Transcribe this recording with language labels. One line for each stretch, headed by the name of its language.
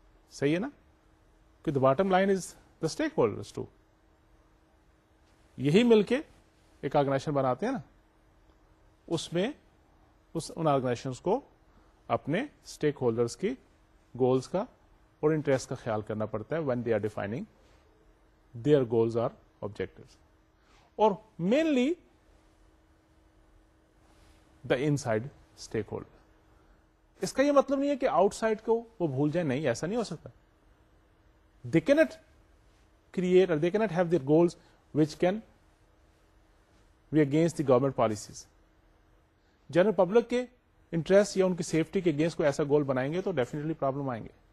Urdu: صحیح ہے نا کہ
English: the bottom line is the stakeholders too,
Urdu: یہی مل کے ایک آرگنائزیشن بناتے ہیں نا, اس میں ان آرگنائزیشنز کو اپنے اسٹیک ہولڈرس کی گولس کا اور انٹرسٹ کا خیال کرنا پڑتا ہے
English: When they are defining their goals or objective. اور mainly the inside stakeholder.
Urdu: اس کا یہ مطلب نہیں ہے کہ آؤٹ سائڈ کو وہ بھول جائے, نہیں ایسا نہیں ہو سکتا.
English: They can not create or they can not have their goals which can be against the government policies.
Urdu: General public کے انٹرسٹ یا ان کی سیفٹی کے اگینسٹ کوئی ایسا گول بنائیں گے تو ڈیفینیٹلی پرابلم آئیں گے.